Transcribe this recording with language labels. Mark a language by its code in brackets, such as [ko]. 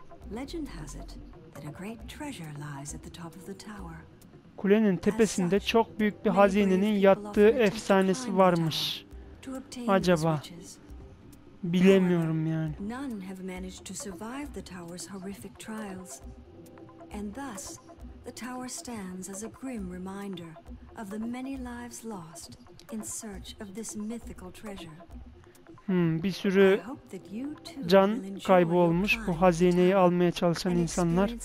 [en] Legend has it that a great treasure lies at the top of the tower. [tr] Kulenin tepesinde çok büyük bir hazinenin yattığı efsanesi varmış. Acaba? Bilemiyorum yani. [en] None have managed to survive the tower's horrific trials. And thus, the tower stands as a grim reminder of the many lives lost in search of this mythical treasure. [tr] Bir sürü can kaybı olmuş bu hazineyi almaya çalışan insanlar.